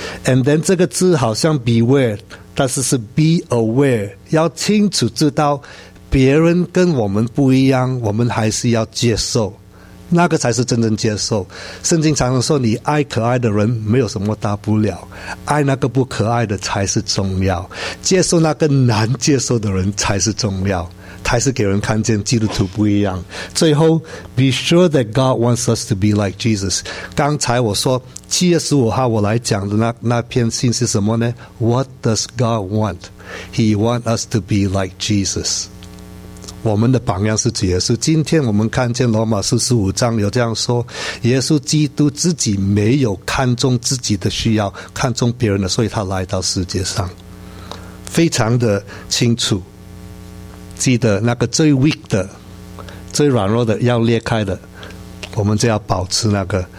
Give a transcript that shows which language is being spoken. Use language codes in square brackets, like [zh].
[en] And then [zh] 这个字好像 beware， 但是是 [en] be aware， [zh] 要清楚知道别人跟我们不一样，我们还是要接受，那个才是真正接受。圣经常常说，你爱可爱的人没有什么大不了，爱那个不可爱的才是重要，接受那个难接受的人才是重要，才是给人看见基督徒不一样。最后 [en] Be sure that God wants us to be like Jesus。 [zh] 刚才我说7月15号我来讲的 那篇信是什么呢？ [en] What does God want? He wants us to be like Jesus。 [zh] 我们的榜样是主耶稣。今天我们看见罗马书15章有这样说，耶稣基督自己没有看重自己的需要，看重别人的，所以他来到世界上。非常的清楚，记得那个最 weak 的，最软弱的，要裂开的，我们就要保持那个。